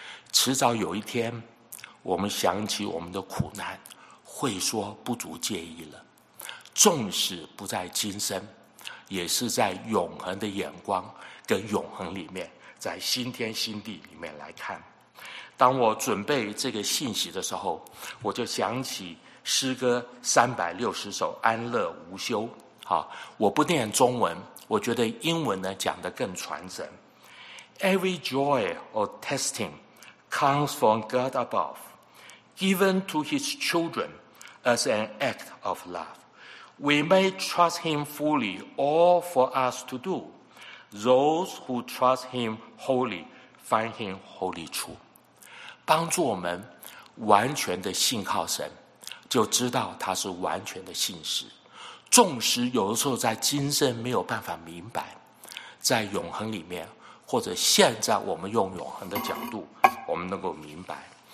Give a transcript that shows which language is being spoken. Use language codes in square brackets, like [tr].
[zh] 迟早有一天我们想起我们的苦难，会说不足介意了，纵使不在今生，也是在永恒的眼光跟永恒里面，在新天新地里面来看。当我准备这个信息的时候，我就想起诗歌360首安乐无休。好，我不念中文，我觉得英文呢讲得更传神。 [en] Every joy or testing comes from God above, given to his children as an act of love. We may trust him fully all for us to do. Those who trust him wholly find him wholly true. [zh] 帮助我们完全的信靠神，就知道他是完全的信实。纵使有的时候在今生没有办法明白，在永恒里面，或者现在我们用永恒的角度，我们能够明白。